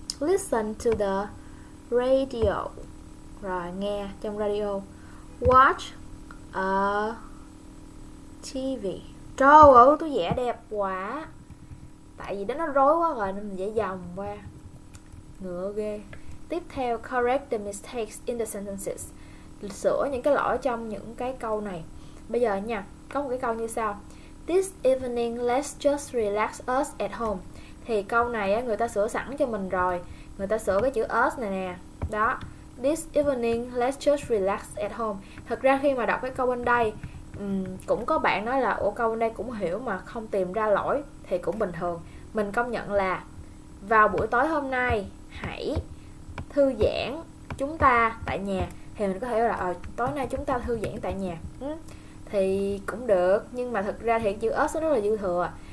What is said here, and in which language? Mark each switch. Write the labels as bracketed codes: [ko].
[en] Listen to the radio, [vi] rồi nghe trong radio. [en] Watch a TV, [vi] Trời ơi, tôi vẽ đẹp quá. Tại vì đó nó rối quá rồi nên mình vẽ vòng qua. Ngựa ghê. Tiếp theo, [en] correct the mistakes in the sentences. [vi] Sửa những cái lỗi trong những cái câu này. Bây giờ nha, có một cái câu như sau. [en] This evening, let's just relax us at home. [vi] Thì câu này người ta sửa sẵn cho mình rồi. Người ta sửa cái chữ us này nè. Đó. [en] This evening, let's just relax at home. [vi] Thật ra khi mà đọc cái câu bên đây, cũng có bạn nói là ủa câu bên đây cũng hiểu mà không tìm ra lỗi thì cũng bình thường. Mình công nhận là vào buổi tối hôm nay hãy thư giãn chúng ta tại nhà, thì mình có thể là tối nay chúng ta thư giãn tại nhà thì cũng được, nhưng mà thực ra thì chữ us rất là dư thừa.